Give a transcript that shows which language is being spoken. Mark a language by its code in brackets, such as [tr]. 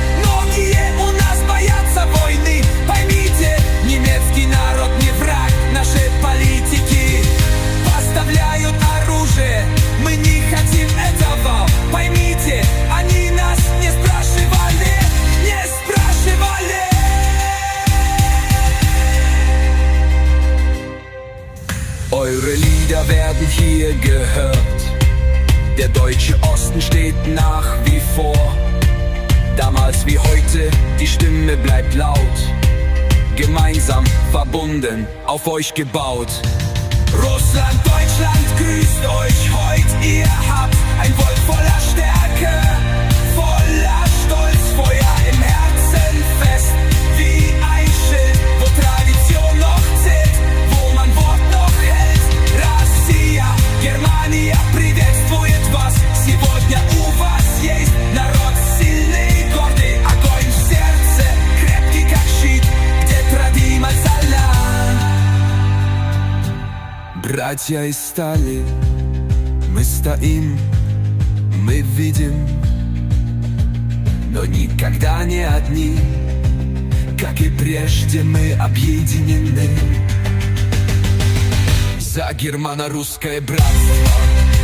[ru] Многие у нас боятся войны. Поймите, немецкий народ не враг. Наши политики поставляют оружие. Мы не хотим этого, поймите. Они нас не спрашивали, не спрашивали. [de] Eure Lieder werden hier gehört. Der deutsche Osten steht nach wie vor. Damals wie heute, die Stimme bleibt laut. Gemeinsam, verbunden, auf euch gebaut. Russland, Deutschland, grüßt euch heut. Ihr habt ein Volk voller Stärke, voller Stolz, Feuer im Herzen fest, wie ein Schild, wo Tradition noch zählt, wo man Wort noch hält. [ru] Россия, Германия, приветствует вас. Сегодня у вас есть народ сильный, гордый, огонь в сердце, крепкий как щит, где традима зала. Братья из стали, мы стоим, мы видим, но никогда не одни, как и прежде мы объединены. За германо-русское братство.